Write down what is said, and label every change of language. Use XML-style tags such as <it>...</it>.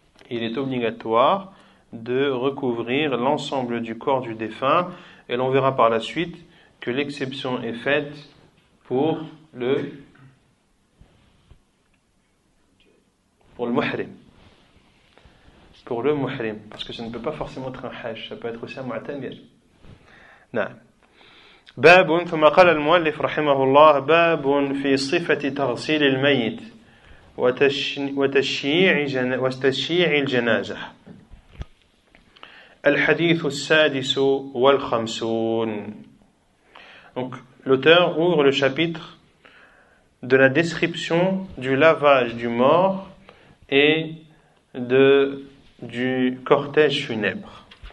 <fr>Il est obligatoire de recouvrir l'ensemble du corps du défunt, et l'on verra par la suite que l'exception est faite pour le muhrim, parce que ça ne peut pas forcément être un hajj, ça peut être aussi un mu'tamir. Non.</fr> <ar>باب ثم قال المؤلف رحمه الله باب في صفة تغسيل الميت وتشييع الجنازة. الحديث السادس والخمسون.</ar> <fr>Donc l'auteur ouvre le chapitre de la description du lavage du mort et du cortège funèbre.</fr>